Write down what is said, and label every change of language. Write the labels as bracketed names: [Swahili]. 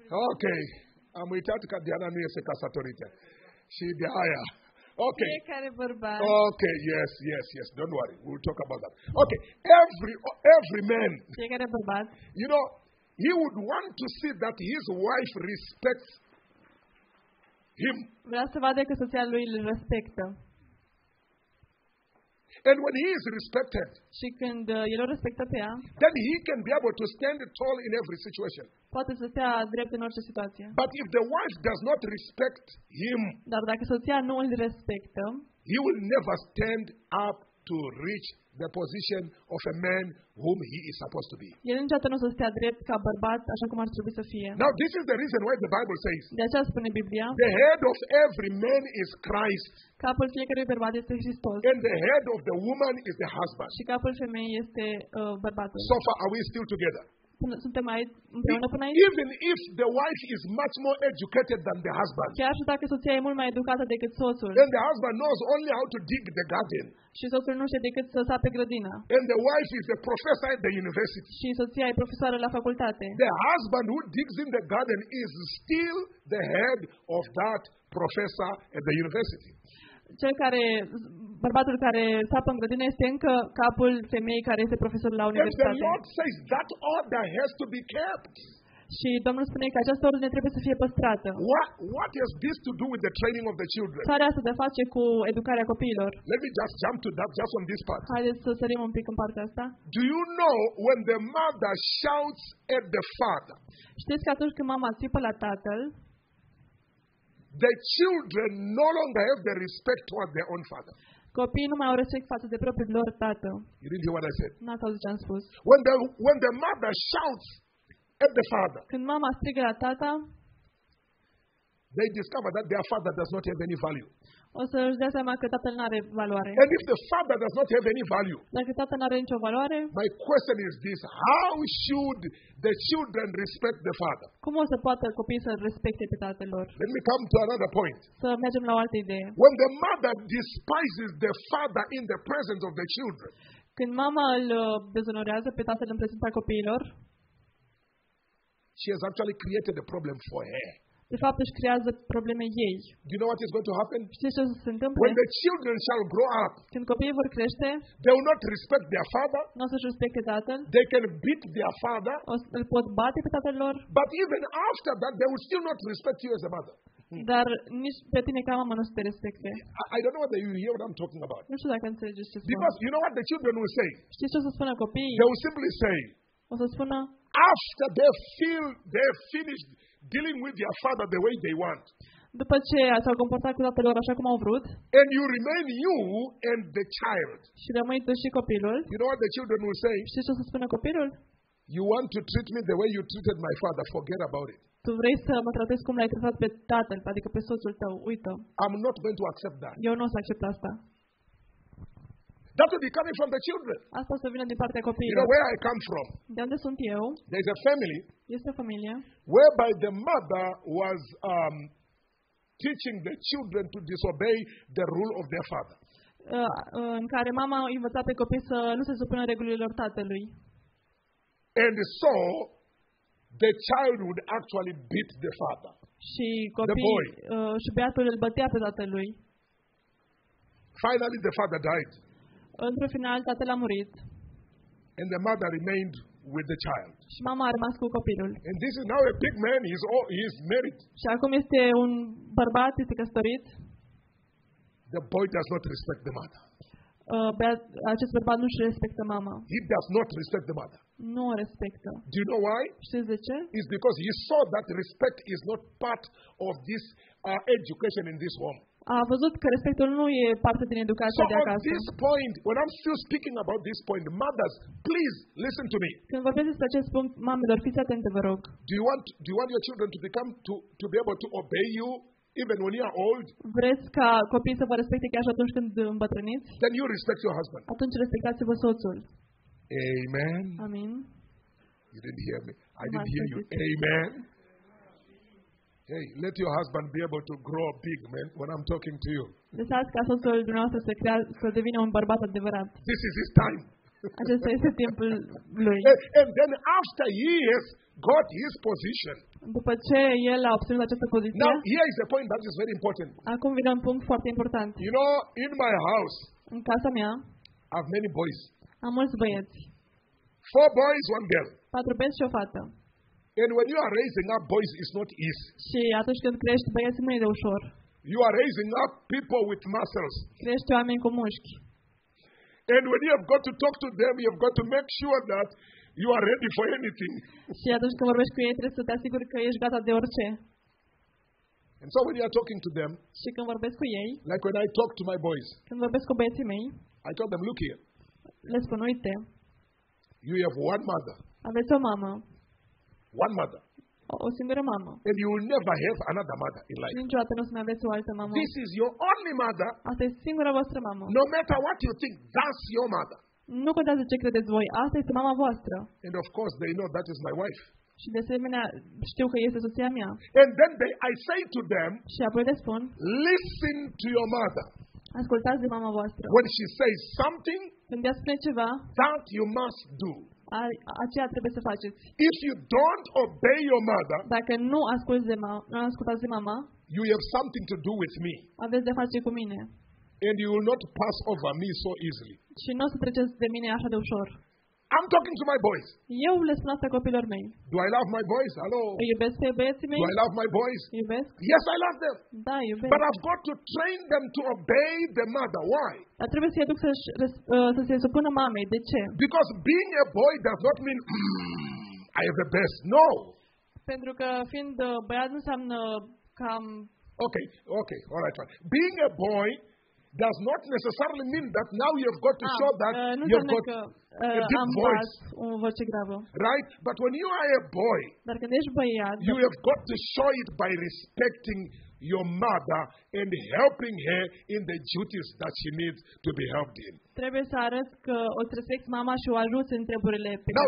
[Romanian] Okay, am uitat că Diana nu este căsătorită. Și de aia. Okay. Fiecare bărbat. [English] Okay, yes. Don't worry. We'll talk about that. Okay. Every man. [Romanian] Fiecare bărbat. [English] You know, he would want to see that his wife respects him. [Romanian] Vrea să vadă că soția lui îl respectă. [English] And when he is respected, [Romanian] și când el o respectă pe ea, [English] then he can be able to stand tall in every situation. [Romanian] Poate să stea drept în orice situație. [English] But if the wife does not respect him, [Romanian] dar dacă soția nu îl respectă, [English] he will never stand up to reach the position of a man whom he is supposed to be. [Romanian] El niciodată nu o să stea drept ca bărbat așa cum ar trebui să fie. [English] Now this is the reason why the Bible says, [Romanian] de aceea spune Biblia, [English] the head of every man is Christ. [Romanian] Capul fiecărui bărbat este Hristos. [English] And the head of the woman is the husband. [Romanian] Și capul femeii este bărbatul. [English] So far are we still together? [Romanian] Suntem aici împreună până aici? [English] Even if the wife is much more educated than the husband. [Romanian] Chiar și dacă soția e mult mai educată decât soțul. [English] And the husband knows only how to dig the garden. [Romanian] Și soțul nu știe decât să sape grădina. [English] And the wife is a professor at the university. [Romanian] Și soția e profesoară la facultate. [English] The husband who digs in the garden is still the head of that professor at the university. [Romanian] Cel care, bărbatul care sapă în grădină este încă capul femeii care este profesor la universitate. [English] And the Lord says that order has to be kept. [Romanian] Și Domnul spune că această ordine trebuie să fie păstrată. [English] What has this to do with the training of the children? [Romanian] Ce are asta de face cu educarea copiilor? [English] Let me just jump to that, just on this part. [Romanian] Haideți să sărim un pic în partea asta. [English] Do you know when the mother shouts at the father? [Romanian] Știți că atunci când mama țipă la tatăl, [English] the children no longer have the respect toward their own father. [Romanian] Copiii nu mai au respect față de propriul lor tată. [English] You didn't hear what I said. [Romanian] N-ați auzit ce am spus. [English] When the mother shouts at the father. [Romanian] Când mama strigă la tata. [English] They discover that their father does not have any value. [Romanian] O să își dea seama că tatăl nu are valoare. [English] And if the father does not have any value. [Romanian] Dacă tatăl nu are nicio valoare. [English] My question is this: how should the children respect the father? [Romanian] Cum o să poată copiii să respecte pe tatăl lor? [English] Let me come to another point. [Romanian] Să mergem la o altă idee. [English] When the mother despises the father in the presence of the children. [Romanian] Când mama îl dezonorează pe tatăl în prezența copiilor. [English] She has actually created a problem for her. [Romanian] De fapt, își creează probleme ei. [English] Do you know what is going to happen? [Romanian] Știți ce se întâmplă? [English] When the children shall grow up, [Romanian] când copiii vor crește, [English] they will not respect their father. [Romanian] N-o să-și respecte tatăl. [English] They can beat their father. [Romanian] Îl pot bate pe tatăl lor. [English] But even after that, they will still not respect you as a mother. [Romanian] Dar nici pe tine ca mamă nu se respecte. [English] I don't know whether you hear what I'm talking about. [Romanian] Nu știu dacă înțelegi ce spun. [English] Because you know what the children will say. [Romanian] Știți ce o să spună copiii? [English] They will simply say. [Romanian] O să spună. [English] After they feel they've finished dealing with your father the way they want. [Romanian] După ce s-au comportat cu tatăl lor așa cum au vrut. [English] And you remain you and the child. [Romanian] Și rămâi tu și copilul. [English] You know what the children will say? [Romanian] Știi ce o să spună copilul? [English] You want to treat me the way you treated my father? Forget about it. [Romanian] Tu vrei să mă tratezi cum l-ai tratat pe tatăl, adică pe soțul tău. Uită. [English] I'm not going to accept that. [Romanian] Eu nu o să accept asta. [English] That will be coming from the children. [Romanian] Asta să vină din partea copiilor. [English] You know where I come from? [Romanian] De unde sunt eu? [English] There is a family. [Romanian] Este o familie. [English] Whereby the mother was teaching the children to disobey the rule of their father. [Romanian] În care mama a învățat pe copii să nu se supună regulilor tatălui. [English] And so the child would actually beat the father. [Romanian] Și copiii și băiatul îl bătea pe tatălui. [English] Finally the father died. [Romanian] Într-o final tatăl a murit. [English] And the mother remained with the child. [Romanian] Și mama a rămas cu copilul. [English] And this is now a big man, he's married. [Romanian] Și acum este un bărbat, este căsătorit. [English] The boy does not respect the mother. [Romanian] Acest bărbat nu își respectă mama. [English] He does not respect the mother. [Romanian] Nu o respectă. [English] Do you know why? [Romanian] Știți de ce? [English] It's because he saw that respect is not part of this education in this home. [Romanian] A văzut că respectul nu e parte din educația [English] so [Romanian] de acasă. [English] So this point, when I'm still speaking about this point, mothers, please listen to me. [Romanian] Când vorbesc despre acest punct, mamelor, fiți atente, vă rog. [English] Do you want your children to become to be able to obey you? Even when you are old, [Romanian] vreți ca copiii să vă respecte chiar și atunci când îmbătrâniți? [English] Then you respect your husband. [Romanian] Atunci respectați-vă soțul. [English] Amen. [Romanian] Amin. [English] You didn't hear me. I didn't hear you. Amen. Hey, let your husband be able to grow big, man, when I'm talking to you. [Romanian] Lăsați ca soțul dumneavoastră să devină un bărbat adevărat. [English] This is his time. [Romanian] Acesta este timpul lui. [English] And then after years, got his position. [Romanian] După ce el a obținut această poziție. [English] Now here is a point that is very important. [Romanian] Acum vine un punct foarte important. [English] You know, in my house, [Romanian] în casa mea, [English] I have many boys. [Romanian] Am mulți băieți. [English] 4 boys, 1 girl. [Romanian] 4 băieți și o fată. [English] And when you are raising up boys, it's not easy. [Romanian] Și atunci când crești băieți, nu e de ușor. [English] You are raising up people with muscles. [Romanian] Crești oameni cu mușchi. [English] And when you have got to talk to them, you have got to make sure that you are ready for anything. [Romanian] Și atunci când vorbești cu ei, trebuie să te asiguri că ești gata de orice. [English] And so when you are talking to them, [Romanian] și când vorbesc cu ei, [English] like when I talk to my boys, [Romanian] când vorbesc cu băieții mei, [English] I tell them, look here. [Romanian] Le spun, uite. [English] You have one mother. [Romanian] Aveți o mamă. [English] One mother. [Romanian] O singură mamă. [English] And you will never have another mother in life. [Romanian] Niciodată nu o să mai aveți o altă mamă. [English] This is your only mother. [Romanian] Asta e singura voastră mamă. [English] No matter what you think, that's your mother. [Romanian] Nu contează ce credeți voi, asta este mama voastră. [English] And of course they know that is my wife. [Romanian] Și de asemenea știu că este soția mea. [English] And then I say to them, [Romanian] și apoi le spun, [English] listen to your mother. [Romanian] Ascultați de mama voastră. [English] When she says something, [Romanian] când ea spune ceva, [English] that you must do. [Romanian] Aceea trebuie să faceți. [English] If you don't obey your mother, [Romanian] dacă nu asculți de mama, nu ascultați de mama, [English] you have something to do with me. [Romanian] Aveți de face cu mine. [English] And you will not pass over me so easily. [Romanian] Și nu o să treceți de mine așa de ușor. [English] I'm talking to my boys. [Romanian] Eu le spun asta copilor mei. [English] Do I love my boys? Hello. [Romanian] Îi iubesc pe băieții mei? [English] Do I love my boys? [Romanian] Iubesc. [English] Yes, I love them. [Romanian] Da, iubesc. [English] But I've got to train them to obey the mother. Why? [Romanian] Dar trebuie să-i aduc să se supună mamei. De ce? [English] Because being a boy does not mean I have the best. No. [Romanian] Pentru că fiind băiat nu înseamnă că am... [English] Okay. All right. Being a boy does not necessarily mean that now you have got to show that you've got a deep voice. Right? But when you are a boy, [Romanian] dar când ești băiat, [English] you have got to show it by respecting your mother and helping her in the duties that she needs to be helped in. [Romanian] Trebuie să arăți că o respecti mama și o ajuți în treburile pe care